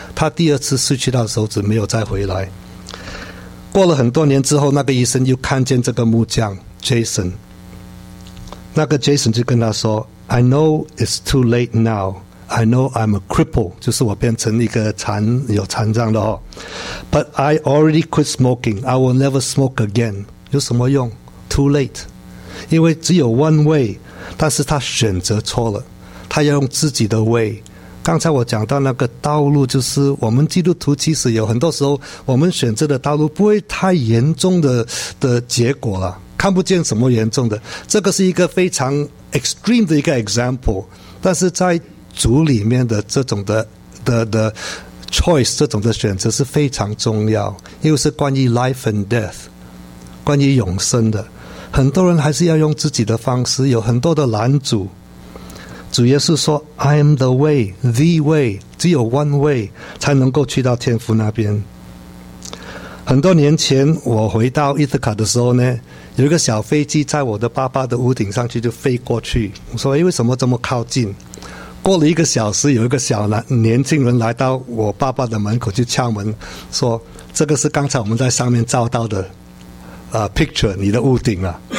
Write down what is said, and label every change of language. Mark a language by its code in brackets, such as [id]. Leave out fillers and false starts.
[zh] 他第2次失去他的手指，没有再回来。过了很多年之后，那个医生又看见这个木匠 Jason， 那个 Jason 就跟他说， [en] I know it's too late nowI know I'm a cripple， [zh] 就是我变成一个有残障的哦。 [en] But I already quit smoking. I will never smoke again. [zh] 有什么用 ？ [en] Too late. [zh] 因为只有 one way， 但是他选择错了，他要用自己的 way。刚才我讲到那个道路，就是我们基督徒其实有很多时候，我们选择的道路不会太严重的结果了，看不见什么严重的。这个是一个非常 extreme 的一个 example， 但是在主里面的这种的 choice， 这种的选择是非常重要，又是关于 [en] life and death， [zh] 关于永生的。很多人还是要用自己的方式，有很多的拦阻。主耶稣说 [en] I am the way， the way， [zh] 只有 one way 才能够去到天父那边。很多年前我回到伊特卡的时候呢，有一个小飞机在我的爸爸的屋顶上去就飞过去，我说为什么这么靠近。过了1个小时，有一个小年轻人来到我爸爸的门口去敲门，说这个是刚才我们在上面照到的picture， 你的屋顶啊。